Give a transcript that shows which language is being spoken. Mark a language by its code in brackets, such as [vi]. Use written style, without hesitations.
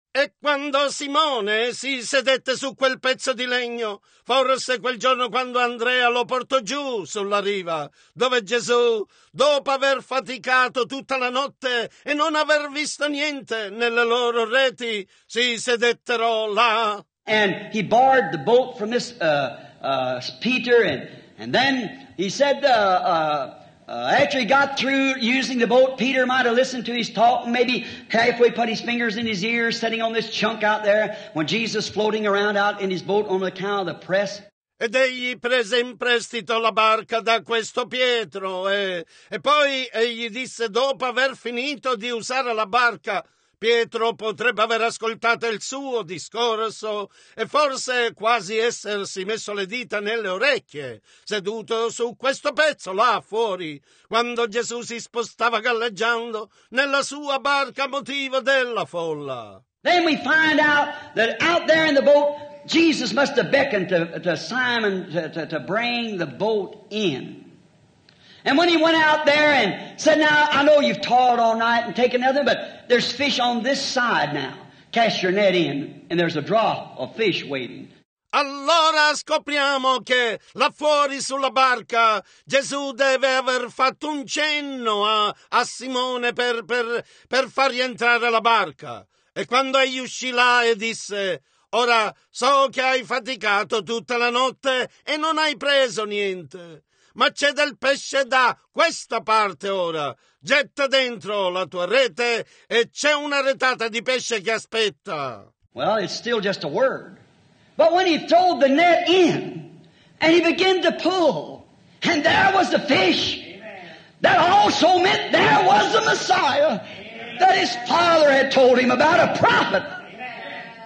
[it] E quando Simone si sedette su quel pezzo di legno, forse quel giorno quando Andrea lo portò giù sulla riva, dove Gesù, dopo aver faticato tutta la notte e non aver visto niente nelle loro reti, si sedettero là. [en] And he borrowed the boat from this Peter, and then he said, after he got through using the boat, Peter might have listened to his talk, and maybe halfway put his fingers in his ears, sitting on this chunk out there, when Jesus floating around out in his boat on account of the press. [it] Ed egli prese in prestito la barca da questo Pietro, e poi egli disse, dopo aver finito di usare la barca, Pietro potrebbe aver ascoltato il suo discorso e forse quasi essersi messo le dita nelle orecchie, seduto su questo pezzo là fuori, quando Gesù si spostava galleggiando nella sua barca a motivo della folla. [en] Then we find out that out there in the boat, Jesus must have beckoned to Simon to bring the boat in. And when he went out there and said, now, I know you've toiled all night and taken nothing, but there's fish on this side now. Cast your net in, and there's a draw of fish waiting. [it] Allora scopriamo che là fuori sulla barca Gesù deve aver fatto un cenno a Simone per far rientrare la barca. E quando egli uscì là e disse, ora so che hai faticato tutta la notte e non hai preso niente. Ma c'è del pesce da questa parte ora. Getta dentro la tua rete e c'è una retata di pesce che aspetta. [en] Well, it's still just a word. But when he threw the net in and he began to pull, and there was the fish. Amen. That also meant there was the Messiah. Amen. That his father had told him about, a prophet. Amen.